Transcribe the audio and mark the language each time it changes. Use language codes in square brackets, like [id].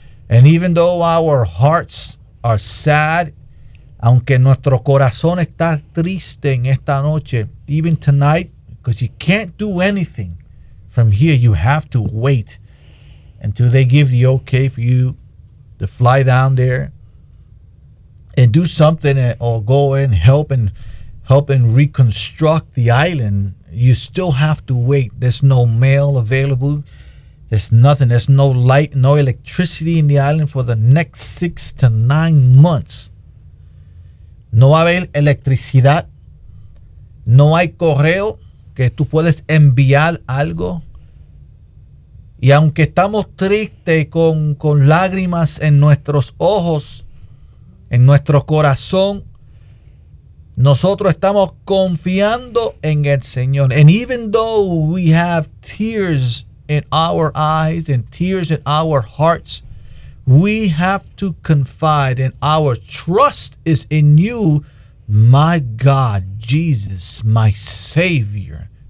[en] And even though our hearts are sad, [es] aunque nuestro corazón está triste en esta noche, [en] even tonight, because you can't do anything from here, you have to wait until they give the okay for you to fly down there and do something or go and help and reconstruct the island. You still have to wait. There's no mail available. There's nothing. There's no light, no electricity in the island for the next 6 to 9 months. [es] No va a haber electricidad. No hay correo que tú puedes enviar algo. Y aunque estamos tristes con lágrimas en nuestros ojos, en nuestro corazón, nosotros estamos confiando en el Señor. [en] And even though we have tears in our eyes and tears in our hearts, we have to confide, and our trust is in you, my God, Jesus, my Savior.